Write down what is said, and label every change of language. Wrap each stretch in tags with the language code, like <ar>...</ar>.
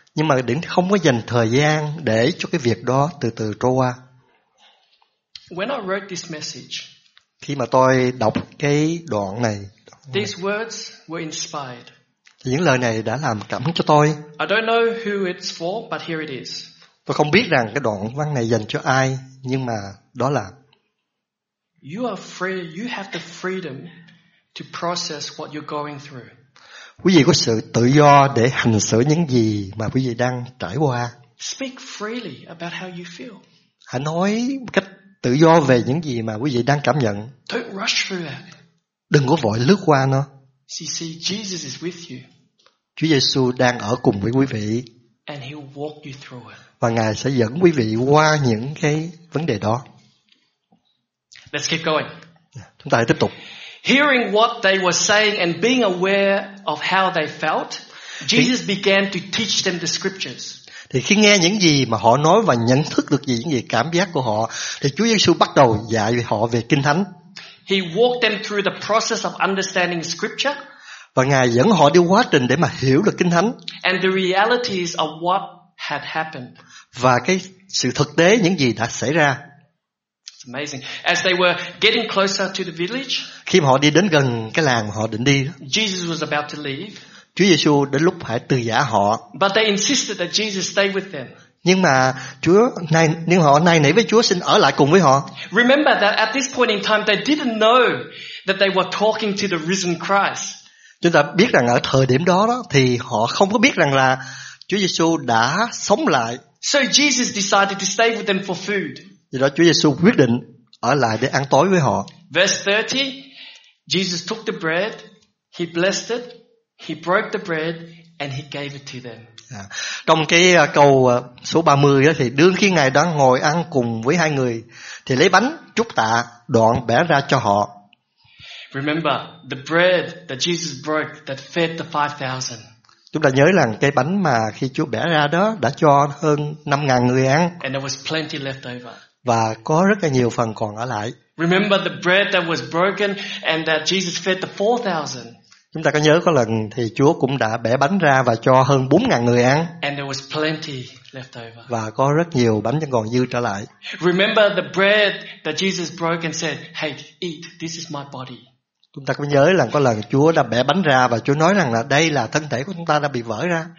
<vi>Nhưng mà đừng không có dành thời gian để cho cái việc đó từ từ trôi qua.</vi> <en>When I wrote this message.</en> <vi>Khi mà tôi đọc cái đoạn này.</vi> <en>These words were inspired.</en> <vi>Những lời này đã làm cảm hứng cho tôi.</vi> <en>I don't know who it's for, but here it is.</en> <vi>Tôi không biết rằng cái đoạn văn này dành cho ai, nhưng mà đó là.</vi> <en>You are free. You have the freedom to process what you're going through.</en> <vi>Quý vị có sự tự do để hành xử những gì mà quý vị đang trải qua.</vi> <en>Speak freely about how you feel.</en> <vi>Hãy nói cách tự do về những gì mà quý vị đang cảm nhận.</vi> <en>Don't rush through that.</en> <vi>Đừng có vội lướt qua nó.</vi> <en>See, Jesus is with you.</en> <vi>Chúa Giêsu đang ở cùng với quý vị.</vi> <en>And he'll walk you through it.</en> <vi>Và Ngài sẽ dẫn quý vị qua những cái vấn đề đó.</vi> <en>Let's keep going.</en> <vi>Chúng ta hãy tiếp tục.</vi> <en>Hearing what they were saying and being aware of how they felt, Jesus began to teach them the scriptures.</en> <vi>Thì khi nghe những gì mà họ nói và nhận thức được gì những gì cảm giác của họ, thì Chúa Giêsu bắt đầu dạy họ về Kinh Thánh.</vi> <en>He walked them through the process of understanding scripture.</en> <vi>Và Ngài dẫn họ đi quá trình để mà hiểu được Kinh Thánh.</vi> <en>And the realities of what had happened.</en> <vi>Và cái sự thực tế những gì đã xảy ra.</vi> <en>Amazing. As they were getting closer to the village,</en> <vi>khi mà họ đi đến gần cái làng họ định đi,</vi> <en>Jesus was about to leave.</en> <vi>Chúa Giêsu đến lúc phải từ giã họ.</vi> <en>But they insisted that Jesus stay with them.</en> <vi>Nhưng mà Chúa nay, nhưng họ nay nỉ với Chúa xin ở lại cùng với họ.</vi> <en>Remember that at this point in time they didn't know that they were talking to the risen Christ.</en> <vi>Chúng ta biết rằng ở thời điểm đó, đó thì họ không có biết rằng là Chúa Giêsu đã sống lại.</vi> <en>So Jesus decided to stay with them for food.</en> <vi>Vì đó Chúa Giêsu quyết định ở lại để ăn tối với họ.</vi> <en>Verse 30, Jesus took the bread, he blessed it, he broke the bread and he gave it to them.</en> <vi>À, trong cái câu số 30 đó thì đương khi Ngài đang ngồi ăn cùng với hai người thì lấy bánh chúc tạ đoạn bẻ ra cho họ.</vi> <en>Remember the bread that Jesus broke that fed the 5,000.</en> <vi>Chúng ta nhớ rằng cái bánh mà khi Chúa bẻ ra đó đã cho hơn 5,000 người ăn.</vi> <en>And there was plenty left over.</en> <vi>Và có rất là nhiều phần còn ở lại.</vi> <en>Remember the bread that was broken and that Jesus fed the 4,000.</en> <vi>Chúng ta có nhớ có lần thì Chúa cũng đã bẻ bánh ra và cho hơn 4,000 người ăn.</vi> <en>And there was plenty left over.</en> <vi>Và có rất nhiều bánh vẫn còn dư trở lại.</vi> <en>Remember the bread that Jesus broke and said, "Hey, eat. This is my body."</en> <vi>Chúng ta có nhớ là có lần Chúa đã bẻ bánh ra và Chúa nói rằng là đây là thân thể của chúng ta đã bị vỡ ra.</vi>